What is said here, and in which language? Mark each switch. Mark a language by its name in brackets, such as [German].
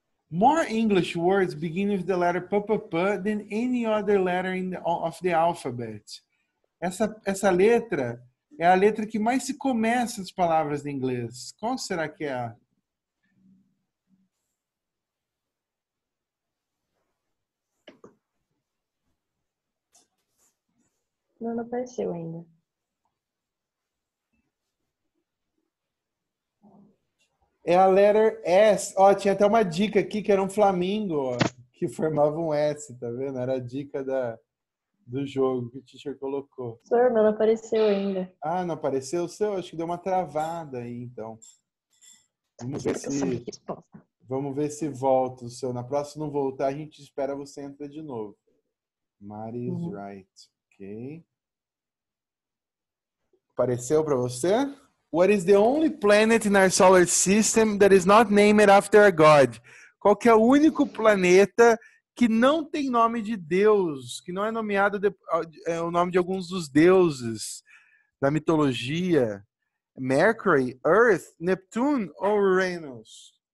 [English] More English words begin with the letter p-p-p than any other letter in the, of the alphabet. [Portuguese] Essa letra é a letra que mais se começa as palavras em inglês. Qual será que é? Não apareceu ainda. É a letter S. Ó, tinha até uma dica aqui que era um flamingo, ó, que formava um S, tá vendo? Era a dica da... Do jogo que o teacher colocou. Sir, mas não apareceu ainda. Ah, não apareceu o seu? Acho que deu uma travada aí, então. Vamos ver se volta o seu. Na próxima, não voltar, a gente espera você entrar de novo. [English] Mari is right. Ok. [Portuguese] Apareceu para você? [English] What is the only planet in our solar system that is not named after a god? [Portuguese] Qual que é o único planeta que não tem nome de Deus, que não é nomeado o nome de alguns dos deuses da mitologia? Mercury, Earth, Neptune ou Uranus?